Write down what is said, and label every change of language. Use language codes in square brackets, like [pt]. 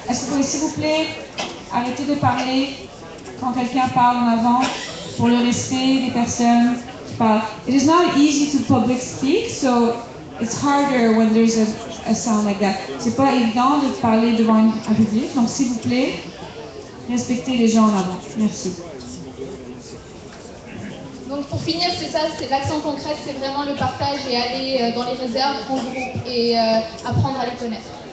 [fr] Est-ce que vous pouvez, s'il vous plaît, arrêter de parler quand quelqu'un parle en avant pour le respect des personnes qui parlent? [en] It is not easy to public speak, so it's harder when there's a sound like that. [fr] C'est pas évident de parler devant un public, donc s'il vous plaît, respectez les gens en avant. Merci. Donc pour finir, c'est ça, c'est l'action concrète, c'est vraiment le partage et aller dans les réserves en groupe et apprendre à les connaître.